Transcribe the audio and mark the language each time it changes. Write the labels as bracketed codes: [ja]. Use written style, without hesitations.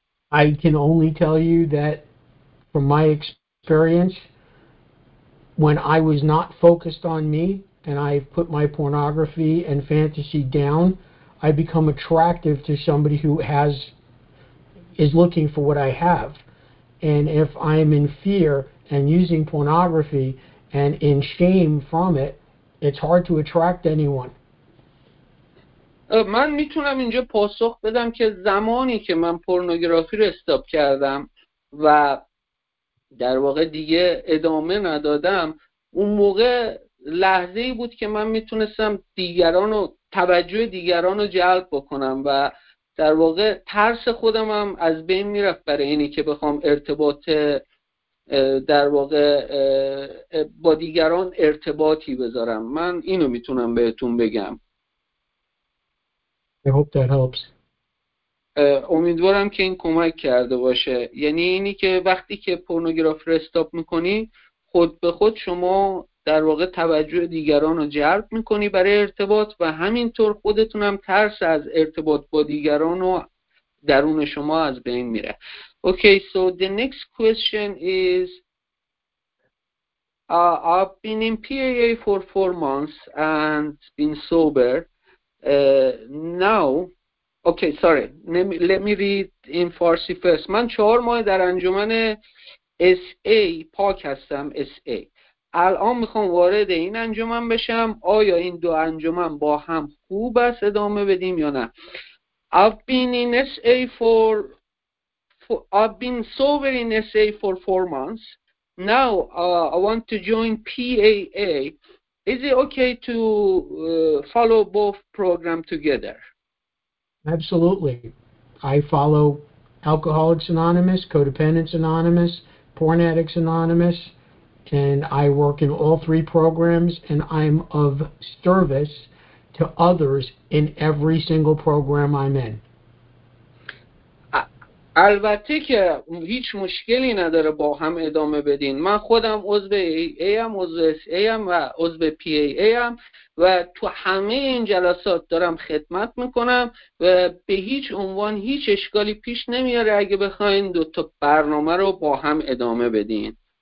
[en] I can only tell you that from my experience, when I was not focused on me and I put my pornography and fantasy down, I become attractive to somebody who is looking for what I have. And if I am in fear and using pornography and in shame from it, it's hard to attract anyone. [fa] من میتونم اینجا پاسخ بدم که زمانی که من پورنوگرافی رو استاپ کردم و در واقع دیگه ادامه ندادم، اون موقع لحظه‌ای بود که من میتونستم توجه دیگرانو جلب بکنم و در واقع ترس خودم هم از بین میرفت برای اینی که بخوام ارتباط در واقع با دیگران ارتباطی بذارم. من اینو میتونم بهتون بگم. [en] I hope that helps. [fa] امیدوارم که این کمک کرده باشه. یعنی اینی که وقتی که پورنوگرافی رو استاپ میکنی، خود به خود شما در واقع توجه دیگران رو جلب میکنی برای ارتباط و همینطور خودتونم ترس از ارتباط با دیگران رو درون شما از بین میره. [en] Okay, so the next question is I've been in PAA for 4 months and been sober. Now Okay, sorry. Let me read in Farsi first. [fa] من 4 ماه در انجمن SA پاک هستم. SA. الان میخوام وارد این انجمن بشم. آیا این دو انجمن با هم خوب است ادامه بدیم یا نه؟ [en] I've been sober in SA for 4 months. Now I want to join PAA. Is it okay to follow both program together? Absolutely. I follow Alcoholics Anonymous, Codependents Anonymous, Porn Addicts Anonymous, and I work in all three programs, and I'm of service to others in every single program I'm in. [fa] البته که هیچ مشکلی نداره با هم ادامه بدین. من خودم عضو AA هم، عضو SA هم و عضو PAA هم و تو همه این جلسات دارم خدمت میکنم و به هیچ عنوان هیچ اشکالی پیش نمیاره اگه بخواین دو تا برنامه رو با هم ادامه بدین.